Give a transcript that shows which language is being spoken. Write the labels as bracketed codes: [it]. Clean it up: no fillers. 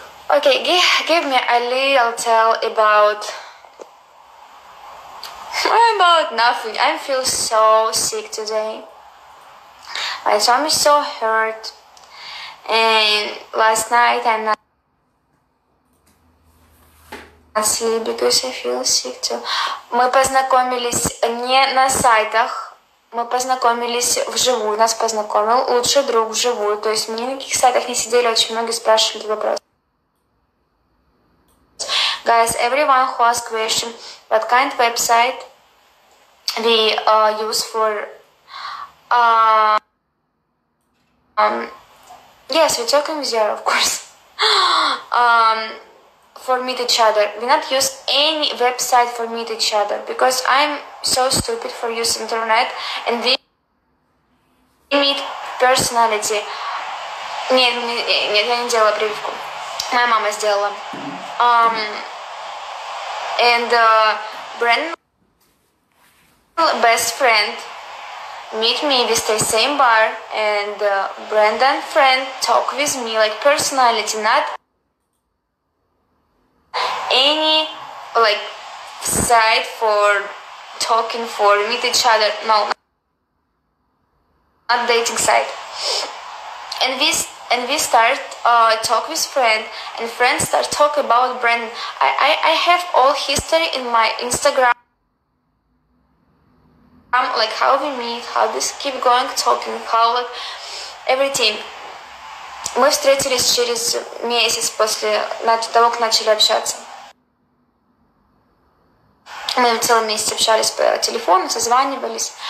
[en] Okay, give me a little tell about nothing. I feel so sick today. My tummy is so hurt. And last night I'm not sleep because I feel sick too. [ru] Мы познакомились не на сайтах. Мы познакомились вживую. Нас познакомил лучший друг вживую. То есть мы ни на каких сайтах не сидели, очень многие спрашивали вопросы. [en] Guys, everyone who asks question, what kind of website we use for... yes, we're talking with you, of course. For meet each other. We not use any website for meet each other because I'm so stupid for use internet and we meet personality. [ru] Нет, я не делала прививку. Моя мама сделала. [en] And Brandon, best friend, meet me with the same bar, and Brandon friend talk with me like personality, not any like site for talking for meet each other, no, not dating site. And we start talk with friend, and friends start talk about Brandon. I have all history in my Instagram. Like how we meet, how this keep going talking, how like everything. [ru] Мы встретились через месяц после того, как начали общаться. Мы целый месяц общались по телефону, созванивались.